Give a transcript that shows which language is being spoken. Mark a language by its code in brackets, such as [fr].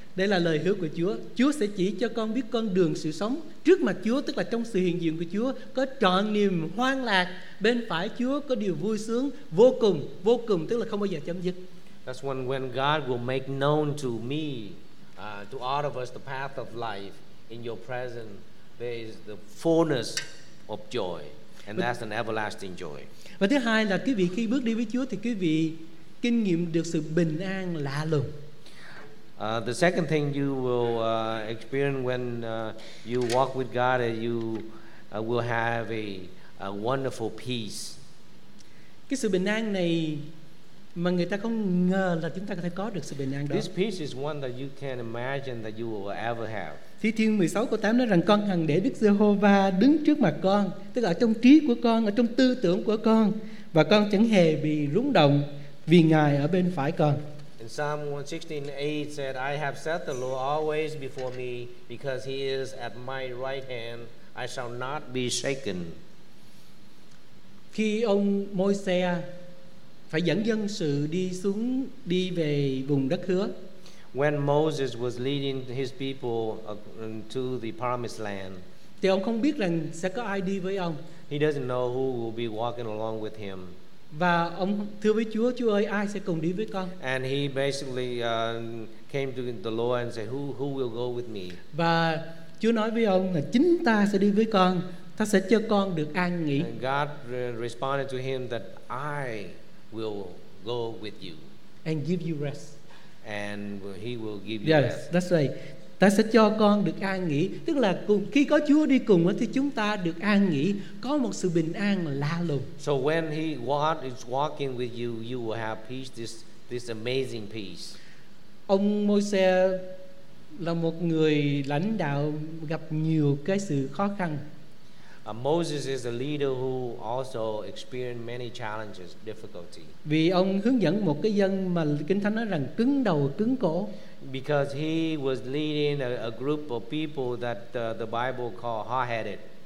[vi] Đây là lời hứa của Chúa. Chúa sẽ chỉ cho con biết con đường sự sống trước mặt Chúa, tức là trong sự hiện diện của Chúa có trọn niềm hoan lạc, bên phải Chúa có điều vui sướng vô cùng, tức là không bao giờ chấm dứt. [en] That's when God will make known to me, to all of us, the path of life in your presence. There is the fullness of joy, and that's an everlasting joy. [vi] Và thứ hai là quý vị khi bước đi với Chúa thì quý vị kinh nghiệm được sự bình an lạ lùng. [en] The second thing you will experience when you walk with God is you will have a wonderful peace. [vi] Cái sự bình an này mà người ta không ngờ là chúng ta có thể có được sự bình an đó. [en] This peace is one that you can't imagine that you will ever have. [vi] Thi Thiên 16 câu 8 nói rằng con hằng để Đức Giê-hô-va đứng trước mặt con, tức là trong trí của con, ở trong tư tưởng của con, và con chẳng hề bị rúng động vì Ngài ở bên phải con. [en] In Psalm 116:8 said, I have set the Lord always before me because he is at my right hand. I shall not be shaken. [vi] Khi ông Môi-se phải dẫn dân sự đi xuống, đi về vùng đất hứa. [en] When Moses was leading his people to the promised land. [vi] Thì ông không biết rằng sẽ có ai đi với ông. [en] He doesn't know who will be walking along with him. [vi] Và ông thưa với Chúa, Chúa ơi, ai sẽ cùng đi với con? [en] And he basically came to the Lord and said, who will go with me? [vi] Và Chúa nói với ông là chính ta sẽ đi với con, ta sẽ cho con được an nghỉ. [en] And God responded to him that I will go with you and give you rest. And he will give you rest. That's right. [vi] Ta sẽ cho con được an nghỉ, tức là cùng, khi có Chúa đi cùng thì chúng ta được an nghỉ, có một sự bình an lạ lùng. [en] So when he is walking with you, you will have peace, this amazing peace. [vi] Ông Môi-se là một người lãnh đạo gặp nhiều cái sự khó khăn. [en] Moses is a leader who also experienced many challenges, difficulty. [vi] Vì ông hướng dẫn một cái dân mà Kinh Thánh nói rằng cứng đầu cứng cổ. [en] Because he was leading a group of people that the Bible called hard-headed.